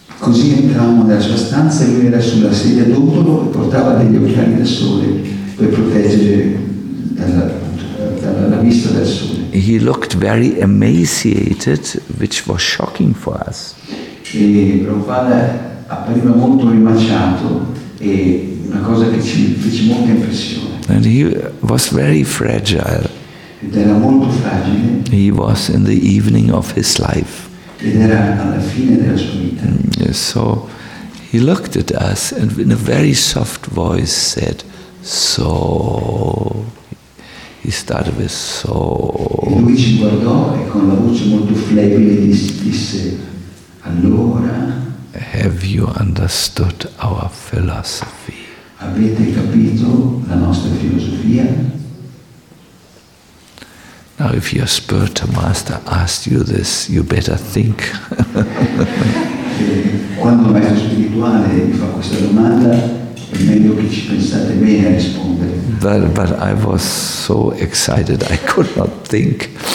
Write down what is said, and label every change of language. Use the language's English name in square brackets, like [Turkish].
[Italian] Così entrammo nella sua stanza e lui era sulla sedia d'ottolo e portava degli occhiali da sole per proteggere dalla vista del sole. [English] He looked very emaciated, which was shocking for us. [Italian] E Prabhupada appariva molto rimaciato. E una cosa che ci fece molta impressione. [English] And he was very fragile. [Italian] Ed era molto fragile. [English] He was in the evening of his life. [Italian] Ed era alla fine della sua vita. [English] So he looked at us and in a very soft voice said, so. He started with so. [Italian] E lui ci guardò e con la voce molto flebile disse, allora. [English] Have you understood our philosophy? [Italian] Avete capito la nostra filosofia? [English] Now, if your spiritual master asked you this, you better think. [Italian] Quando il maestro spirituale vi fa questa domanda, è meglio che ci pensate bene a rispondere. [English] But I was so excited, I could not think.